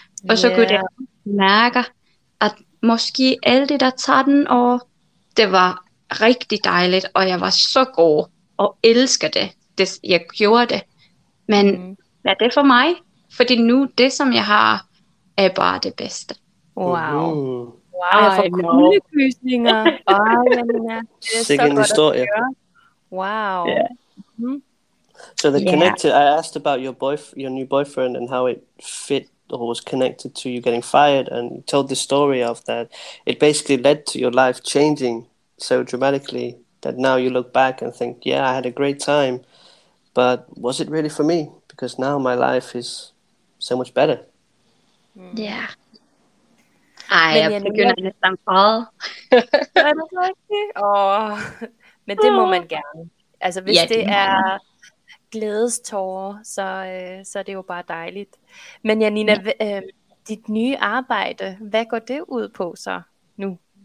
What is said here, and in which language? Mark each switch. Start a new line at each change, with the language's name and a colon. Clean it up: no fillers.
Danish: Og så kunne jeg mærke, at måske alle de der 13 år, det var rigtig dejligt, og jeg var så god. Og elsker det. Jeg gjorde det. Men hvad er det for mig? Fordi nu det, som jeg har, er bare det bedste. Wow. Wow. Ej, jeg får kuldekysninger. Sikke en historie. Wow.
English: So the connected, I asked about your new boyfriend and how it fit or was connected to you getting fired and told the story of that. It basically led to your life changing so dramatically. That now you look back and think, yeah, I had a great time, but was it really for me? Because now my life is so much better. Yeah.
Danish: Ej, jeg begynder næsten fald. Er det rigtigt? Men det må man gerne. Altså, hvis det er glædestårer, så er det jo bare dejligt. Men Janina, dit nye arbejde, hvad går det ud på så nu?